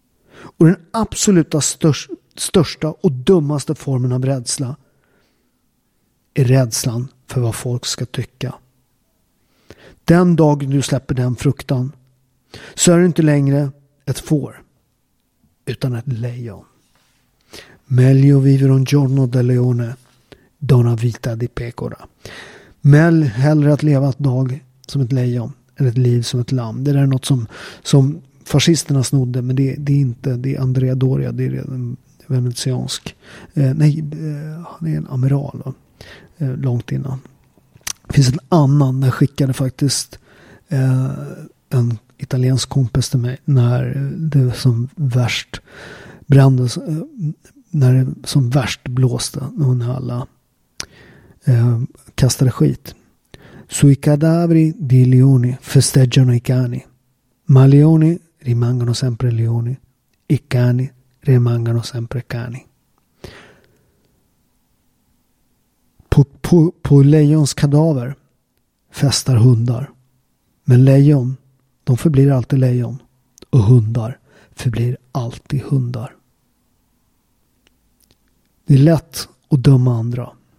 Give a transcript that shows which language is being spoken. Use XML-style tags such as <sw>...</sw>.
<sv>Och den absoluta största och dummaste formen av rädsla är rädslan för vad folk ska tycka. Den dagen du släpper den fruktan så är du inte längre ett får utan ett lejon.</sv> <it>Meglio vivere un giorno da leone, donna vita di pecora.</it> <sv>Men hellre att leva ett dag som ett lejon än ett liv som ett lamm. Det är något som fascisterna snodde, men det är inte, det är Andrea Doria, det är en venetiansk, han är en amiral då, långt innan. Det finns en annan, där skickade faktiskt en italiensk kompis till mig när det som värst brändes, när det som värst blåste, när hon alla kastade skit.</sv> <it>Sui cadaveri di leoni festeggiano i cani, ma leoni rimangono sempre leoni, i cani rimangono sempre cani.</it> <sv>På lejons kadaver festar hundar, men lejon, de förblir alltid lejon, och hundar förblir alltid hundar. Det är lätt att döma andra.</sv>